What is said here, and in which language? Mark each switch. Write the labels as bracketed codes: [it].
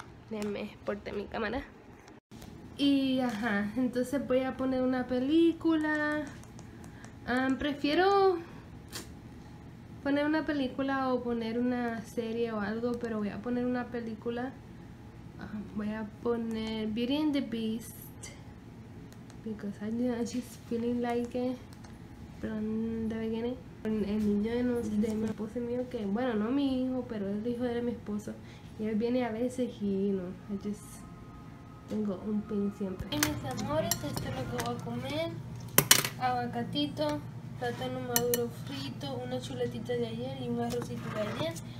[es] Déjenme porte mi cámara. Y ajá, entonces voy a poner una película. Prefiero poner una película o poner una serie o algo, pero voy a poner una película. Voy a poner Beauty and the Beast. [en] Because I'm just feeling like it from the beginning. [es] El niño de, de mi esposo mío, que bueno, no mi hijo, pero el hijo de mi esposo. Y él viene a veces y no, [en] I just [es] tengo un pin siempre. Y mis amores, esto es lo que voy a comer: aguacatito, plátano maduro frito, una chuletita de ayer y un arrocito de ayer.